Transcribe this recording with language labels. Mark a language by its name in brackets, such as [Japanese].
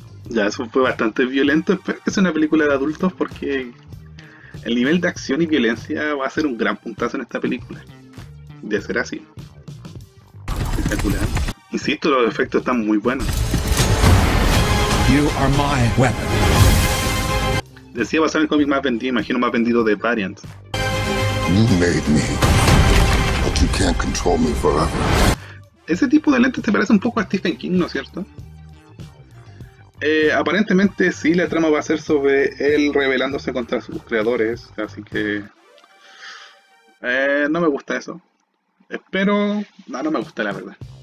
[Spanish] Ya, eso fue bastante violento. Espero que sea una película de adultos porque el nivel de acción y violencia va a ser un gran puntazo en esta película. De ser así. Espectacular. Insisto, los efectos están muy buenos. [English] You are my weapon. [Spanish] Decía va a ser el cómic más vendido, imagino más vendido de Variant. [English] You made me, but you can't control me forever. [Spanish] Ese tipo de lentes te parece un poco a Stephen King, ¿no es cierto? Aparentemente sí, la trama va a ser sobre él rebelándose contra sus creadores, así que no me gusta eso. Espero, no, no me gusta la verdad.